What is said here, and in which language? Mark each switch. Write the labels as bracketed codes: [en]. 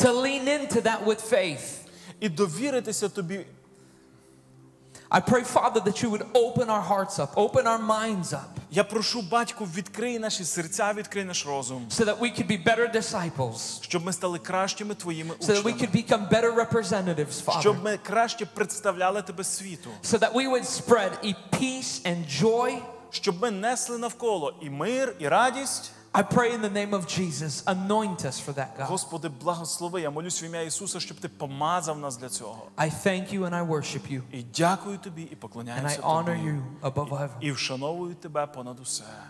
[en] To lean into that with faith. [uk] І довіритися тобі. [en] I pray, Father, that you would open our hearts up, open our minds up. [uk] Я прошу, Батько, відкрий наші серця, відкрий наш розум. [en] So that we could be better disciples. [uk] Щоб ми стали кращими твоїми учнями. [en] So that we could become better representatives, Father. [uk] Щоб ми краще представляли тебе світу. [en] So that we would spread a peace and joy. [uk] Щоб ми несли навколо і мир, і радість. [en] I pray in the name of Jesus, anoint us for that, God. [uk] Господи, благослови, я молюсь в ім'я Ісуса, щоб ти помазав нас для цього. [en] I thank you and I worship you. [uk] І дякую тобі і поклоняюся тобі. [en] And I honor you above ever. [uk] І вшановую тебе понад усе.